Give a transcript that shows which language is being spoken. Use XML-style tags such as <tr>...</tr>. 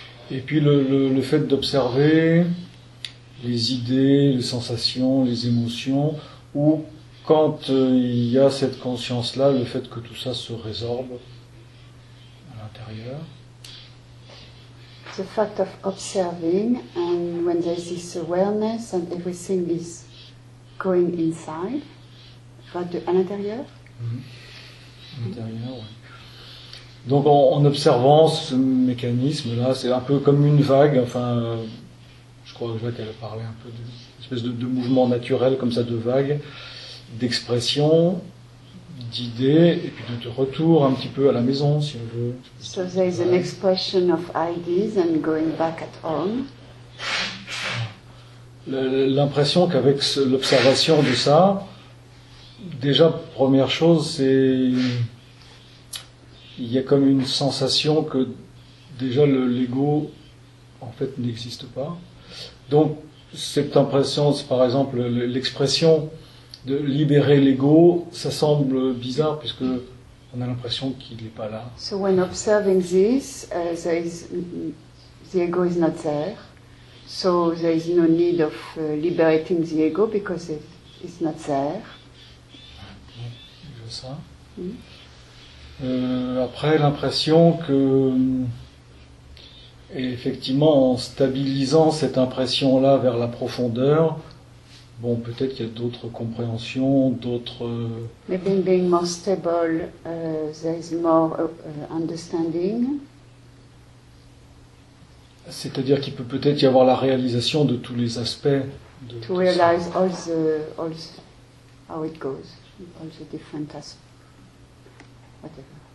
<fr>Et puis le fait d'observer les idées, les sensations, les émotions, ou quand il y a cette conscience-là, le fait que tout ça se résorbe à l'intérieur.</fr> <en>The fact of observing, and when there is this awareness and everything is going inside,</en> <fr>à l'intérieur. Mm-hmm. L'intérieur, oui. Donc en observant ce mécanisme-là, c'est un peu comme une vague, enfin, je crois que je vois qu'elle a parlé un peu d'une espèce de mouvement naturel comme ça, de vague, d'expression, d'idées, et puis de retour un petit peu à la maison, si on veut.</fr> <en>So there is an expression of ideas and going back at home.</en> <fr>L'impression qu'avec l'observation de ça, déjà, première chose, c'est... Il y a comme une sensation que déjà l'ego, en fait, n'existe pas. Donc, cette impression, c'est par exemple l'expression de libérer l'ego, ça semble bizarre puisque on a l'impression qu'il n'est pas là.</fr> <en>So when observing this, the ego is not there. So there is no need of liberating the ego because it's not there.</en> <fr>Je vois ça. Après l'impression que effectivement en stabilisant cette impression là vers la profondeur. Bon, peut-être qu'il y a d'autres compréhensions, d'autres...</fr> <en>Maybe being more stable, there is more understanding.</en> <fr>C'est-à-dire qu'il peut peut-être y avoir la réalisation de tous les aspects. De</fr> <en>to realize ça. all the how it goes, all the different aspects, whatever.</en>